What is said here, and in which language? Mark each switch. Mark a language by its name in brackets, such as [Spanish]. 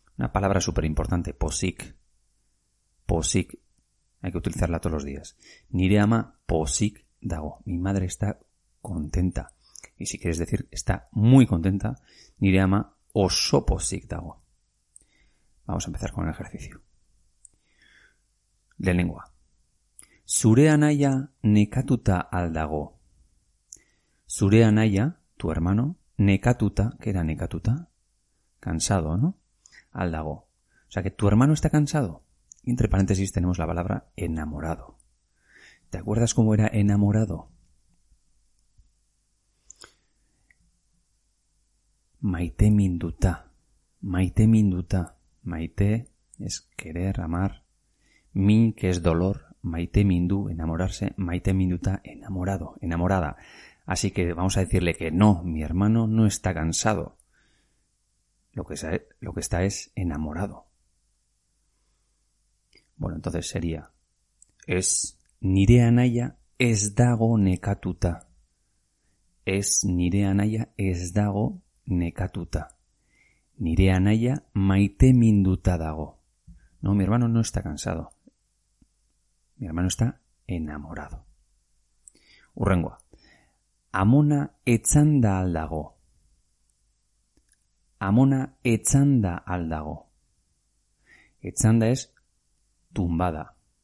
[Spanish] Una palabra súper importante, posik. Posik. Hay que utilizarla todos los días. [Basque] Nire ama posik dago. [Spanish] Mi madre está contenta. Y si quieres decir está muy contenta, [Basque] nire ama oso posik dago. [Spanish] Vamos a empezar con el ejercicio. De lengua. [Basque] Zure anaia nekatuta al dago. Zure anaia, [Spanish] tu hermano, nekatuta, ¿qué era nekatuta? Cansado, ¿no? [Basque] Al dago. [Spanish] O sea que tu hermano está cansado. Entre paréntesis tenemos la palabra enamorado. ¿Te acuerdas cómo era enamorado? [Basque] Maite minduta. Maite minduta. [Spanish] Maite es querer, amar. Min, que es dolor. Maite mindu, enamorarse. Maite minduta, enamorado, enamorada. Así que vamos a decirle que no, mi hermano no está cansado. Lo que está es enamorado. Bueno, entonces sería es [Basque] Nire anaia ez dago nekatuta. Ez nire anaia ez dago nekatuta. Nire anaia maite minduta dago. [Spanish] No, mi hermano no está cansado. Mi hermano está enamorado. [Basque] Urrengoa. Amona etzanda aldago. Amona etzanda aldago. [Spanish] Etzanda es tumbada.